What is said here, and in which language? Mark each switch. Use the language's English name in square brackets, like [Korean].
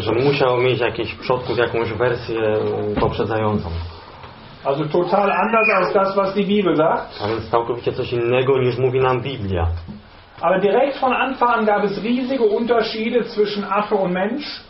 [Polish] że musiał mieć jakieś przodków, jakąś wersję poprzedzającą. [German] Also total anders als das, was die Bibel sagt. [Polish] A więc całkowicie coś innego niż mówi nam Biblia. [German] Aber direkt von Anfang an gab es riesige Unterschiede zwischen Affe und Mensch.